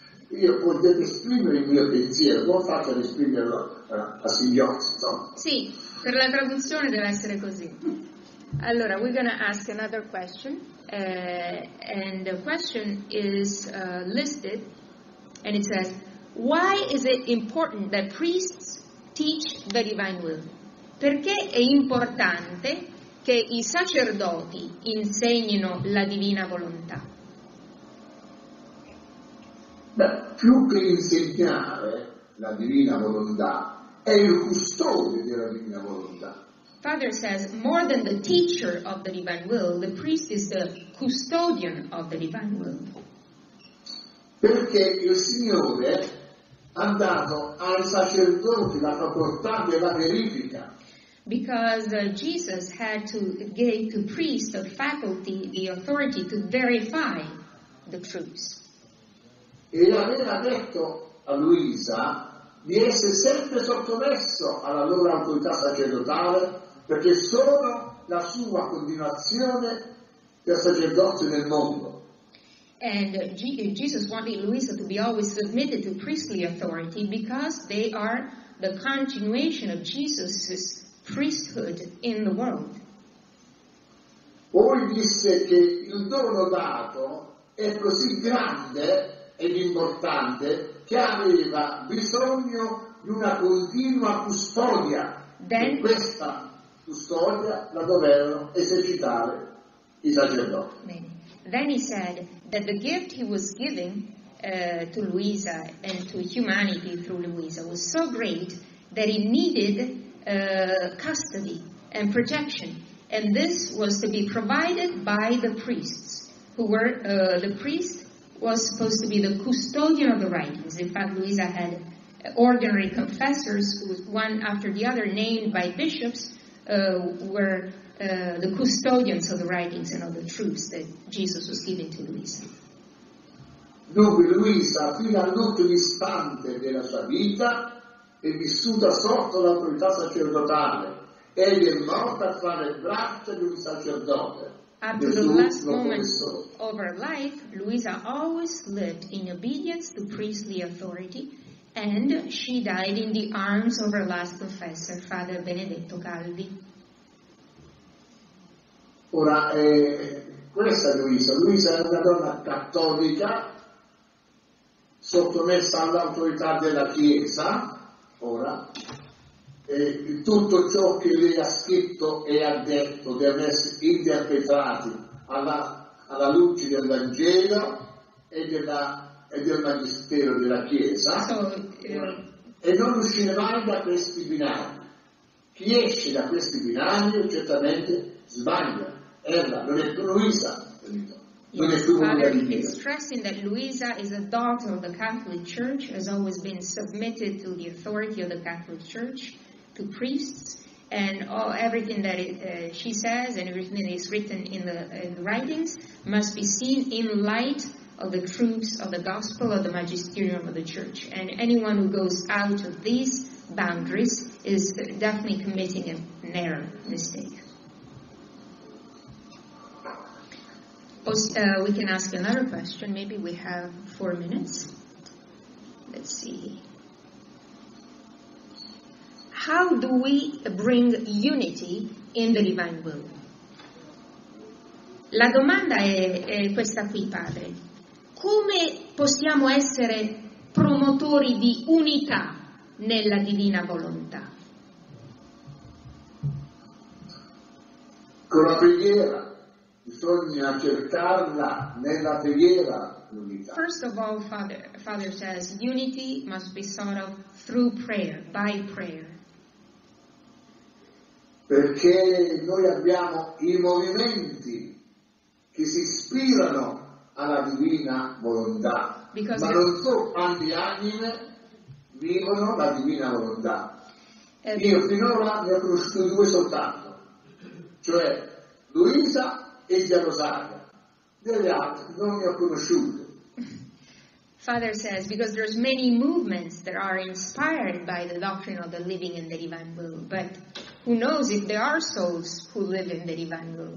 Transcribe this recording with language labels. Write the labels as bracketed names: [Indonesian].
[Italian] Io potete esprimere il mio pensiero, non faccio esprimerlo a signori. Sì, per la traduzione deve essere così. [English] Allora, we're going to ask another question, and the question is listed, and it says, why is it important that priests teach the divine will? [Italian] Perché è importante che i sacerdoti insegnino la divina volontà? Beh, più che insegnare la divina volontà, è il custode della divina volontà. [English] Father says, more than the teacher of the divine will, the priest is the custodian of the divine will. [Italian] Perché il Signore ha dato ai sacerdoti la facoltà della verifica. [English] Because Jesus had to give to priests the faculty, the authority to verify the truths. [Italian] E aveva detto a Luisa di essere sempre sottomesso alla loro autorità sacerdotale. Perché sono la sua continuazione del sacerdozio nel mondo. [English] And Jesus wanted Luisa to be always submitted to priestly authority because they are the continuation of Jesus' priesthood in the world. [Italian] Poi disse che il dono dato è così grande ed importante che aveva bisogno di una continua custodia [English] then, [Italian] di questa custodia la dovevano esercitare i sacerdoti. [English] Then he said that the gift he was giving to Luisa and to humanity through Luisa was so great that it needed custody and protection, and this was to be provided by the priests, who were the priest was supposed to be the custodian of the writings. In fact, Luisa had ordinary confessors, one after the other, named by bishops. Were the custodians of the writings and of the truths that Jesus was giving to Luisa. [Italian] Dunque, Luisa, fino all'ultimo istante della sua vita, è vissuta sotto l'autorità sacerdotale. Egli è morta fra le braccia di un sacerdote. [English] Up to the last moment of her life, Luisa always lived in obedience to priestly authority. And she died in the arms of her last confessor, Father Benedetto Calvi. [Italian] Ora, questa è Luisa. Luisa è una donna cattolica, sottomessa all'autorità della Chiesa. Ora, tutto ciò che lei ha scritto e ha detto deve essere interpretato alla luce del Vangelo e della e del Magistero della Chiesa, e non uscire mai da questi binari. Chi esce da questi binari certamente sbaglia, erra, non è Luisa. [English] Yes, Father, he's stressing that Luisa is a daughter of the Catholic Church, has always been submitted to the authority of the Catholic Church, to priests, and all, everything that it, she says and everything that is written in the writings must be seen in light of the truths of the Gospel of the Magisterium of the Church. And anyone who goes out of these boundaries is definitely committing an error, mistake. We can ask another question. Maybe we have 4 minutes. Let's see. How do we bring unity in the divine will? [Italian] La domanda è questa qui, padre. Come possiamo essere promotori di unità nella divina volontà? Con la preghiera. Bisogna cercarla nella preghiera, l'unità. [English] First of all, Father says, unity must be sought of through prayer, by prayer. [Italian] Perché noi abbiamo i movimenti che si ispirano alla divina volontà. [English] Because [Italian] ma non so quante anime vivono la divina volontà. Io finora ne ho conosciuto due soltanto, cioè Luisa e gli Rosario, degli altri non li ho conosciuti. [English] Father says, because there's many movements that are inspired by the doctrine of the living in the divine will, but who knows if there are souls who live in the divine will.